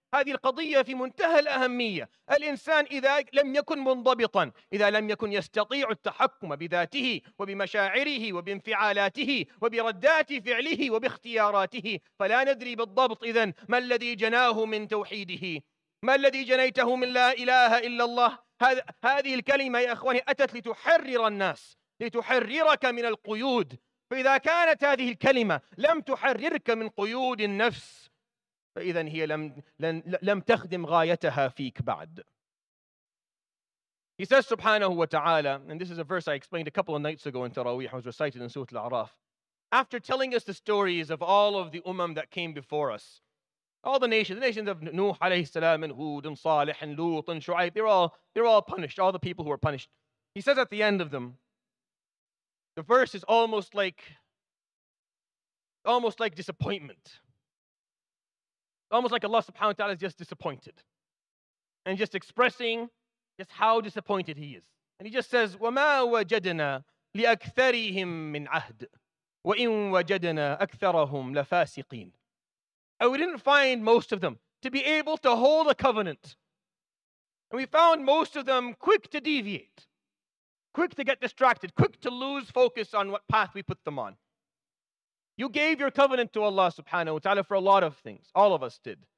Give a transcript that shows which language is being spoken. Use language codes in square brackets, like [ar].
[ar] هذه القضية في منتهى الأهمية. الإنسان إذا لم يكن منضبطا، إذا لم يكن يستطيع التحكم بذاته وبمشاعره وبانفعالاته وبردات فعله وباختياراته، فلا ندري بالضبط إذن ما الذي جناه من توحيده، ما الذي جنيته من لا إله إلا الله. هذه الكلمة يا أخواني أتت لتحرر الناس، لتحررك من القيود. فإذا كانت هذه الكلمة لم تحررك من قيود النفس، فإذن هي لم تخدم غايتها فيك بعد. [en] He says سبحانه وتعالى, and this is a verse I explained a couple of nights ago in Tarawih, I was recited in Surah Al-A'raf. After telling us the stories of all of the umam that came before us, all the nations of Nuh alayhi salam and Hud and Salih and Lut and Shu'aib, they're all punished, all the people who were punished. He says at the end of them, the verse is almost like disappointment. Almost like Allah subhanahu wa ta'ala is just disappointed. And just expressing just how disappointed he is. And he just says, [ar] وَمَا وَجَدْنَا لِأَكْثَرِهِمْ مِنْ عَهْدٍ وَإِنْ وَجَدْنَا أَكْثَرَهُمْ لَفَاسِقِينَ. [en] And we didn't find most of them to be able to hold a covenant. And we found most of them quick to deviate, quick to get distracted, quick to lose focus on what path we put them on. You gave your covenant to Allah subhanahu wa ta'ala for a lot of things. All of us did.